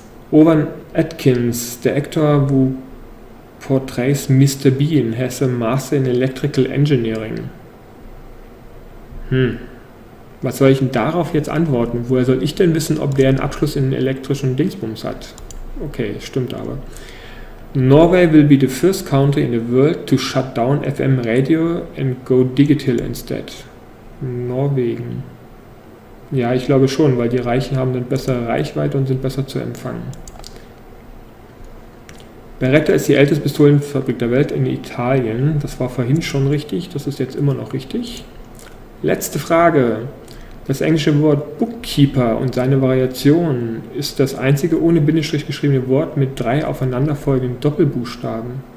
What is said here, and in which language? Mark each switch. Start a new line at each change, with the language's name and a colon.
English: Rowan Atkins, der Actor who portrays Mr. Bean, has a Master in Electrical Engineering.
German: Was soll ich denn darauf jetzt antworten? Woher soll ich denn wissen, ob der einen Abschluss in elektrischen Dingsbums hat? Okay, stimmt aber.
English: Norway will be the first country in the world to shut down FM radio and go digital instead.
German: Norwegen. Ja, ich glaube schon, weil die Reichen haben dann bessere Reichweite und sind besser zu empfangen. Beretta ist die älteste Pistolenfabrik der Welt in Italien. Das war vorhin schon richtig, das ist jetzt immer noch richtig. Letzte Frage. Das englische Wort Bookkeeper und seine Variation ist das einzige ohne Bindestrich geschriebene Wort mit drei aufeinanderfolgenden Doppelbuchstaben.